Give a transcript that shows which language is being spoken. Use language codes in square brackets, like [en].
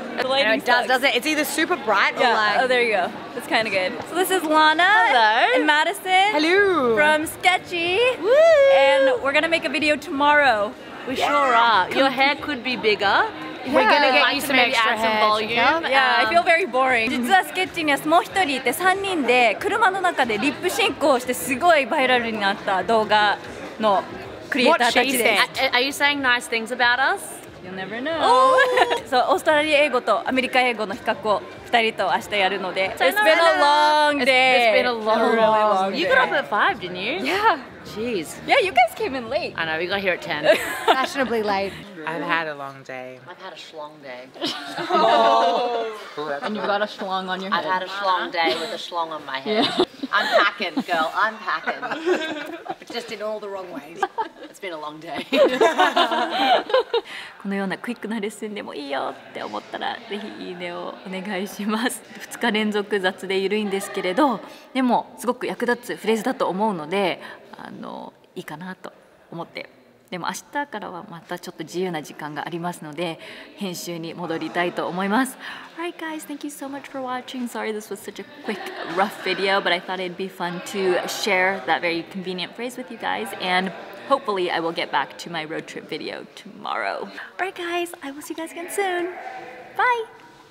[en] It does. It's either super bright or like... Oh, there you go. It's kind of good. So this is Lana. Hello. And Madison. Hello. From Sketchy. Woo! And we're going to make a video tomorrow. We sure are. Your hair could be bigger. Yeah. We're going to get you some extra hair. Some volume. Yeah, I feel very boring. [ja] 実は Sketchy にはもう一人いて3人で車の中でリップシンクをしてすごいバイラルになった動画のクリエイターたちです。 [en] What she said. Are you saying nice things about us? You'll never know. Oh! So, [ja] オーストラリア英語とアメリカ英語の比較を2人と明日やるので。 [en] It's been a long day. It's been a long, really long day. You got up at 5, didn't you? Yeah. Jeez. Yeah, you guys came in late. I know, we got here at 10. Fashionably late. I've had a long day. I've had a schlong day. Oh! And you've got a schlong on your head. I've had a schlong day with a schlong on my head. Yeah. I'm packing, girl. I'm packing. But just in all the wrong ways. It's been a long day. [ja] このようなクイックなレッスンでもいいよって思ったらぜひいいねをお願いします。 2日連続雑で緩いんですけれど、でもすごく役立つフレーズだと思うので、いいかなと思ってでも明日からはまたちょっと自由な時間がありますので編集に戻りたいと思います。 [en] Alright guys, thank you so much for watching. Sorry this was such a quick rough video, but I thought it'd be fun to share that very convenient phrase with you guys, and hopefully I will get back to my road trip video tomorrow. Alright guys, I will see you guys again soon. Bye.